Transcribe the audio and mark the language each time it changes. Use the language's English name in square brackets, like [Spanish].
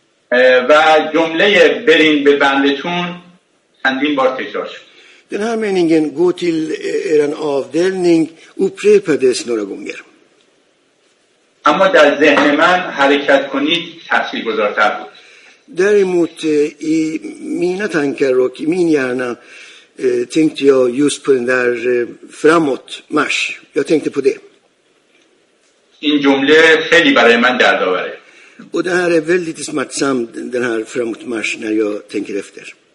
[Persian] و جمله بریم به بندتون چندین بار تکرار شد. [Swedish] Den här meningen gå till er avdelning upprepades några gånger. [Persian] اما در ذهن من حرکت کنید تاثیرگذارتر بود. [Swedish] Däremot i mina tankar och i min hjärna tänkte jag just på den där framåt marsch. Jag tänkte på det. [Persian] این جمله خیلی برای من دردآوره. [Swedish] Och det här är väldigt smärtsamt den här framåt marsch när jag tänker efter.